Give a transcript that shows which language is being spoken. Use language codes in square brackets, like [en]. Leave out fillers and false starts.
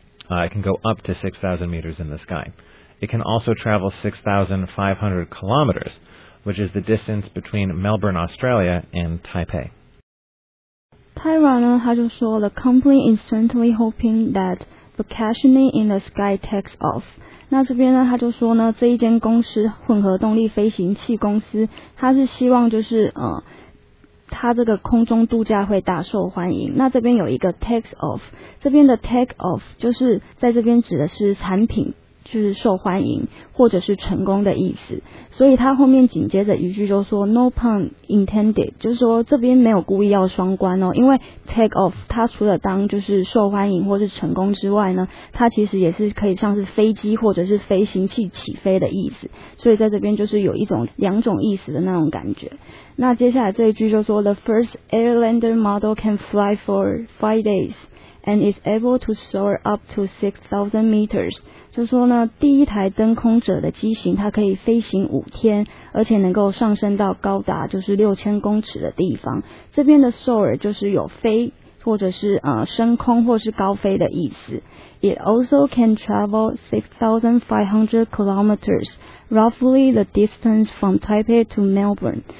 [en] It can go up to 6,000 meters in the sky. It can also travel 6,500 kilometers, which is the distance between Melbourne, Australia, and Taipei. Tyra, [zh] 他就说, [en] the company is certainly hoping that vacationing in the sky takes off. [zh] 那这边呢, 他就说呢, 这一间公司, 混合动力飞行器公司, 他是希望就是, 他这个空中度假会大受欢迎。那这边有一个 takes off, 这边的 take off 就是在这边指的是产品, 就是受欢迎, 或者是成功的意思。所以他后面紧接着一句就说, [en] no pun intended, [zh] 就是说这边没有故意要双关哦, 因为 take off, 它除了当就是受欢迎或是成功之外呢, 它其实也是可以像是飞机或者是飞行器起飞的意思。所以在这边就是有一种两种意思的那种感觉。那接下来这一句就说, [en] the first Airlander model can fly for 5 days, and is able to soar up to 6,000 meters. [zh] 就说呢, 第一台登空者的机型, 它可以飞行5天, 而且能够上升到高达就是6000公尺的地方。这边的 soar 就是有飞, 或者是, 升空, 或是高飞的意思。 [en] It also can travel 6,500 kilometers, roughly the distance from Taipei to Melbourne.